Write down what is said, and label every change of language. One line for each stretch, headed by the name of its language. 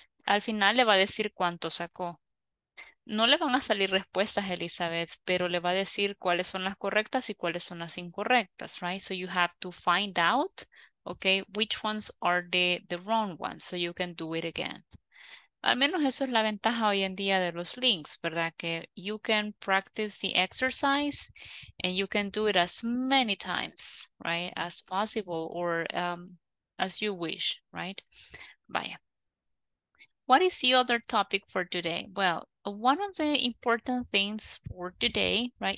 Spanish: Al final le va a decir cuánto sacó. No le van a salir respuestas, Elizabeth, pero le va a decir cuáles son las correctas y cuáles son las incorrectas, right?
English: So you have to find out, okay, which ones are the wrong ones so you can do it again.
Spanish: Al menos eso es la ventaja hoy en día de los links, ¿verdad? Que
English: you can practice the exercise and you can do it as many times, right, as possible or as you wish, right? Vaya. What is the other topic for today? Well, one of the important things for today, right?